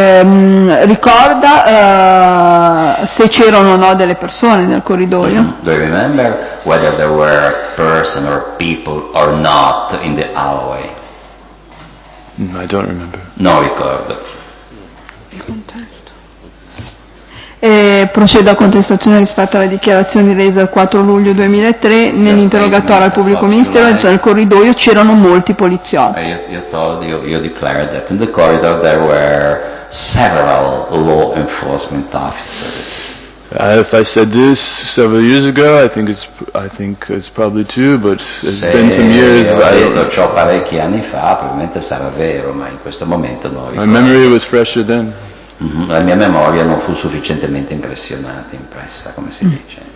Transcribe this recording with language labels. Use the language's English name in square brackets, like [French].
[Italian] Ricorda se c'erano o no delle persone nel corridoio? [English] Do you remember whether there were person or people or not in the hallway? No, I don't remember. [Italian] Non ricordo. Il contesto. procedo a contestazione rispetto alle dichiarazioni rese il 4 luglio 2003 nell'interrogatorio al pubblico ministero, e nel corridoio c'erano molti poliziotti. [English] Io declared that in the corridor there were several law enforcement officers. If I said this several years ago, I think it's probably true, but it's been some years. [Italian] Ciò parecchi anni fa, probabilmente sarà vero, ma in questo momento non ricordo. [English] My memory was fresher then. [Italian] La mia memoria non fu sufficientemente impressa, come si dice.